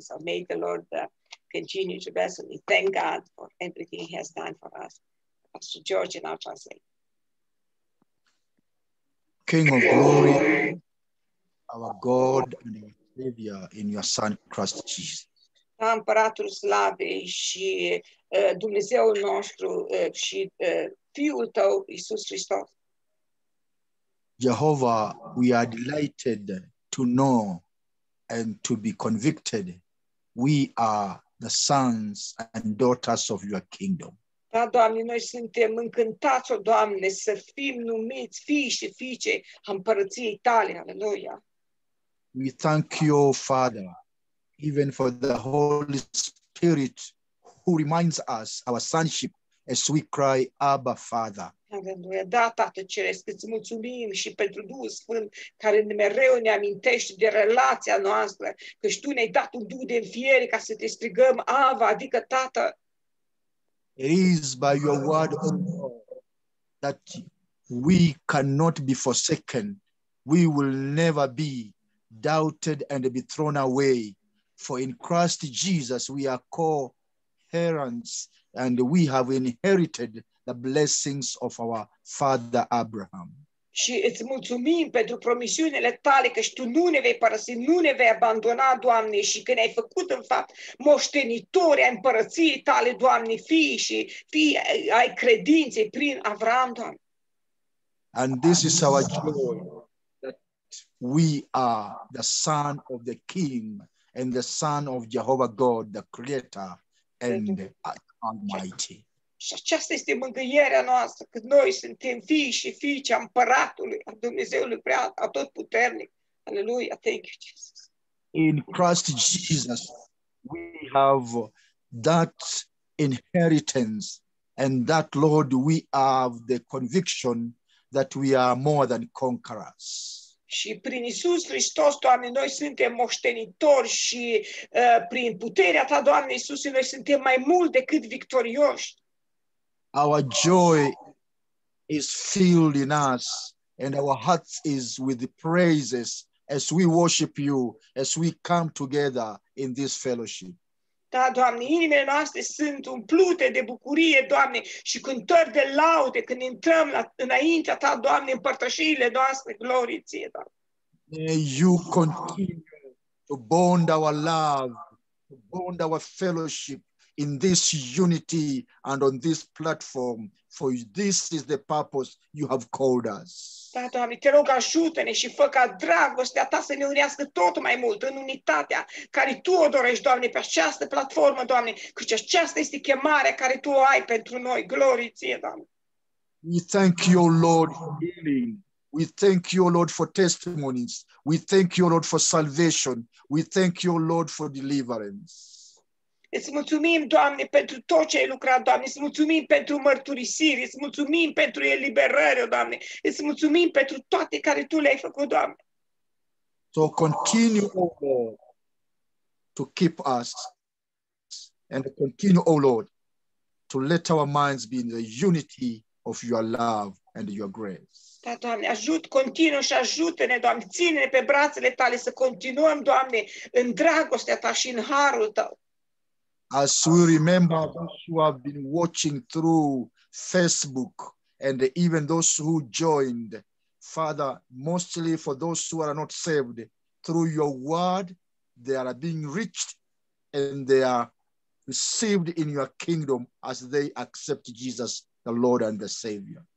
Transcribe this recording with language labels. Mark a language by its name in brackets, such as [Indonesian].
[English] So, may the Lord continue to bless and we thank God for everything He has done for us. Pastor George, and I'll translate. King of glory, our God and our Savior, in your Son Christ Jesus. [Romanian] Împăratul slavei și Dumnezeul nostru și Fiul tău, Iisus Hristos. [English] Jehovah, we are delighted to know and to be convicted. We are the sons and daughters of your kingdom. [Romanian] Da, Doamne, noi suntem încântați, o Doamne, să fim numiți fii și fiice a împărăției tale. Aleluia. [English] We thank you, Father, even for the Holy Spirit who reminds us our sonship as we cry, Abba, Father. [Romanian] Aleluia, da, Tată Ceresc, îți mulțumim și pentru Duhul Sfânt care mereu ne amintește de relația noastră, că și Tu ne-ai dat un Duh de înfiere ca să te strigăm, Ava, adică Tată. [English] It is by your word, O Lord, that we cannot be forsaken. We will never be doubted and be thrown away. For in Christ Jesus, we are co-heirs and we have inherited the blessings of our father Abraham. [Romanian] Și îți mulțumim pentru promisiunile tale că și tu nu ne vei părăsi, nu ne vei abandona, Doamne, și că ne-ai făcut, în fapt, moștenitori ai împărăției tale, Doamne, fii și fii ai credinței prin Avram, Doamne. [English] And this is our joy, that we are the son of the King and the son of Jehovah God, the Creator and the Almighty. [Romanian] Și aceasta este mângâierea noastră, că noi suntem fii și fiice a împăratului, a Dumnezeului prea, a tot puternic. [English] Aleluia, thank you, Jesus. In Christ Jesus, we have that inheritance and that, Lord, we have the conviction that we are more than conquerors. [Romanian] Și prin Iisus Hristos, Doamne, noi suntem moștenitori și prin puterea Ta, Doamne Iisus, noi suntem mai mult decât victorioși. [English] Our joy is filled in us and our heart is with the praises as we worship you, as we come together in this fellowship. [Romanian] Da, Doamne, inimile noastre sunt umplute de bucurie, Doamne, și cântări de laude când intrăm înaintea Ta, Doamne, în părtășiile noastre, glorie Ție, Doamne. [English] May you continue to bond our love, to bond our fellowship, in this unity and on this platform, for this is the purpose you have called us. [Romanian] Da, Doamne, te rog, ajută-ne și fă ca dragostea Ta să ne unească tot mai mult în unitatea care Tu o dorești, Doamne, pe această platformă, Doamne, căci aceasta este chemarea care Tu o ai pentru noi. Glorie Ție, Doamne. [English] We thank you, Lord, for healing. We thank you, Lord, for testimonies. We thank you, Lord, for salvation. We thank you, Lord, for deliverance. [Romanian] Îți mulțumim, Doamne, pentru tot ce ai lucrat, Doamne. Îți mulțumim pentru mărturisiri. Îți mulțumim pentru eliberări, Doamne. Îți mulțumim pentru toate care Tu le-ai făcut, Doamne. [English] So continue, O Lord, to keep us and continue, O Lord, to let our minds be in the unity of Your love and Your grace. [Romanian] Da, Doamne, continuă și ajută-ne, Doamne. Ține-ne pe brațele Tale să continuăm, Doamne, în dragostea Ta și în harul Tău. [English] As we remember those who have been watching through Facebook and even those who joined, Father, mostly for those who are not saved, through your word, they are being reached and they are received in your kingdom as they accept Jesus, the Lord and the Savior.